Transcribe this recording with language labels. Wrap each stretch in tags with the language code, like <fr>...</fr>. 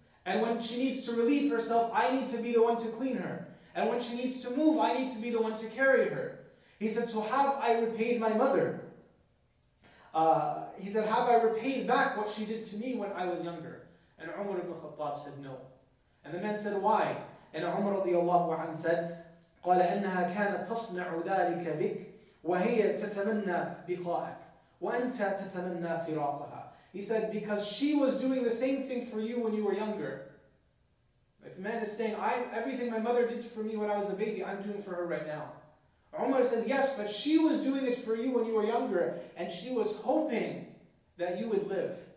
<en>And when she needs to relieve herself, I need to be the one to clean her. And when she needs to move, I need to be the one to carry her. He said, so have I repaid my mother? Have I repaid back what she did to me when I was younger? And Umar ibn Khattab said, no. And the man said, why? And Umar radiallahu anhu said,</en> <ar>قَالَ أَنَّهَا كَانَتْ تَصْنَعُ ذَلِكَ بِكَ وَهِيَ تَتَمَنَّى بِقَائِكَ وَأَنْتَ تَتَمَنَّى فِرَاقَهَا.</ar> <en>He said, because she was doing the same thing for you when you were younger. If the man is saying, everything my mother did for me when I was a baby, I'm doing for her right now. Umar says, yes, but she was doing it for you when you were younger, and she was hoping that you would live.</en>